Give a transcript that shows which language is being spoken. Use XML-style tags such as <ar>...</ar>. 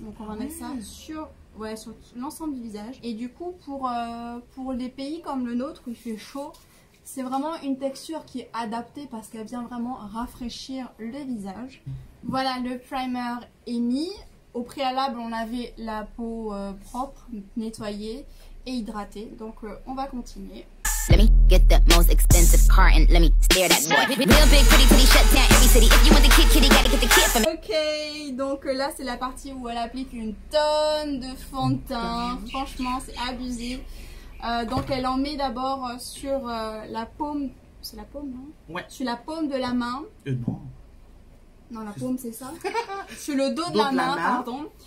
<fr>Donc on va mettre ça sur, ouais, sur l'ensemble du visage. Et du coup, pour des pays comme le nôtre où il fait chaud, c'est vraiment une texture qui est adaptée parce qu'elle vient vraiment rafraîchir le visage. Voilà, le primer est mis. Au préalable, on avait la peau propre, nettoyée et hydratée. Donc, on va continuer.</fr> <en>Let me get the most expensive car and let me stare that boy. Real big, pretty, shut down every city. If you want the kid, kitty, gotta get the kid for me.</en> <fr>Ok, donc là, c'est la partie où elle applique une tonne de fond de teint. Franchement, c'est abusé. Donc, elle en met d'abord sur la paume. C'est la paume, non? Ouais. Sur la paume de la main. Non. Non, la paume, c'est ça. Sur le dos de la main, pardon.</fr>